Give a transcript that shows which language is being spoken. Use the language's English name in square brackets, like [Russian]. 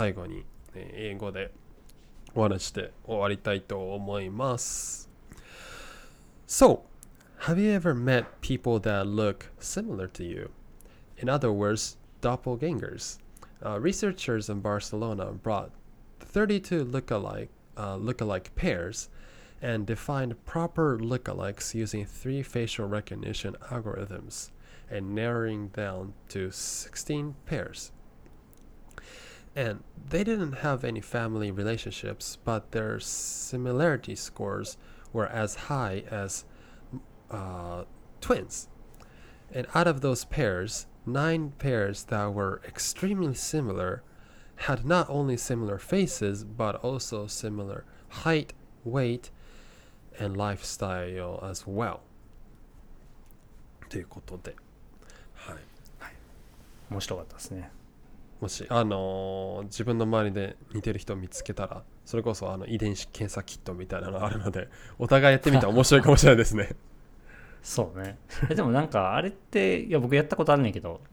[Japanese] 最後に、英語でお話して終わりたいと思います。 [English] So have you ever met people that look similar to you? In other words, doppelgangers. Researchers in Barcelona brought 32 look-alike pairs and defined proper look-alikes using three facial recognition algorithms and narrowing down to 16 pairs. And they didn't have any family relationships, but their similarity scores were as high as twins. And out of those pairs, 9 pairs that were extremely similar had not only similar faces, but also similar height, weight, and lifestyle as well. [Japanese] ということで、はい、はい、面白かったですね。もし、自分の周りで似てる人を見つけたら、それこそあの遺伝子検査キットみたいなのがあるので、お互いやってみたら面白いかもしれないですね。そうね、でもなんかあれっていや僕やったことあるんやけど、